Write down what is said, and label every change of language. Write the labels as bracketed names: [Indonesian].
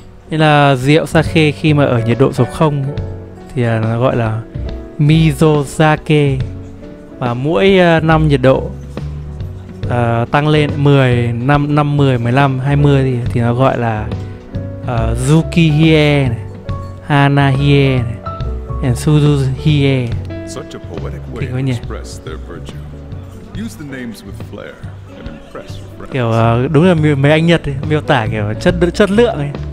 [Vietnamese] Nên là rượu sake khi mà ở nhiệt độ số 0 thì nó gọi là mizosake. Và mỗi năm nhiệt độ tăng lên 10, 5, 5, 10, 15, 20 thì nó gọi là Zukihie, Hanahie, and Suzuhie. [English] Such a poetic way to express their virtue. Use the names with flair and impress your friends. [Vietnamese] Kiểu đúng là mấy anh Nhật ấy, miêu tả kiểu chất lượng ấy.